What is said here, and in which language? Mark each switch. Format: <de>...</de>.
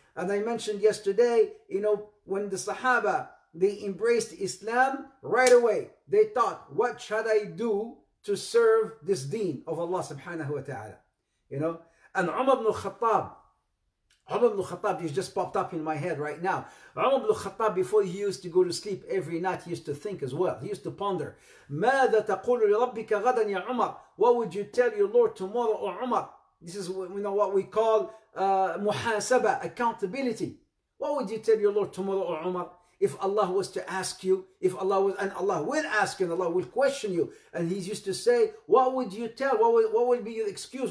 <en>And I mentioned yesterday, when the Sahaba, they embraced Islam, right away they thought, what should I do to serve this deen of Allah subhanahu wa ta'ala? And Umar ibn Khattab, this just popped up in my head right now. Umar ibn Khattab, before he used to go to sleep every night, he used to think as well. He used to ponder.</en> <ar>ماذا تقول لربك غدا يا عمر?</ar> <en>What would you tell your Lord tomorrow, O Umar? This is what we call muhasaba, accountability. What would you tell your Lord tomorrow, O Umar, if Allah was to ask you, and Allah will ask you, and Allah will question you. And he used to say, what would you tell? What would be your excuse?</en>